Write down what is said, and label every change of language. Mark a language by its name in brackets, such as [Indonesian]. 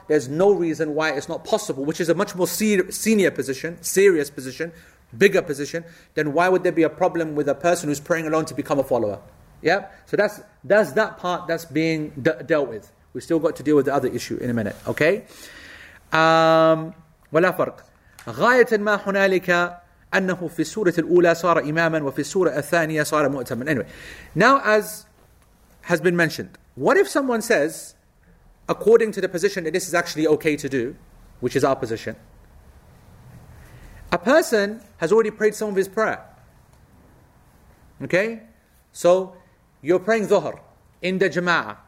[English] There's no reason why it's not possible, which is a much more senior position, serious position, bigger position, then why would there be a problem with a person who's praying alone to become a follower? Yeah? So that's that part that's being dealt with. We've still got to deal with the other issue in a minute, okay? [Arabic] وَلَا فَرْقْ غَايَةً مَا هُنَالِكَ أنه في السورة الأولى صار إماماً وفي السورة الثانية صار مؤتماً. [English] Anyway, now as has been mentioned, what if someone says, according to the position that this is actually okay to do, which is our position, a person has already prayed some of his prayer. Okay? So, you're praying Dhuhr in the Jama'ah.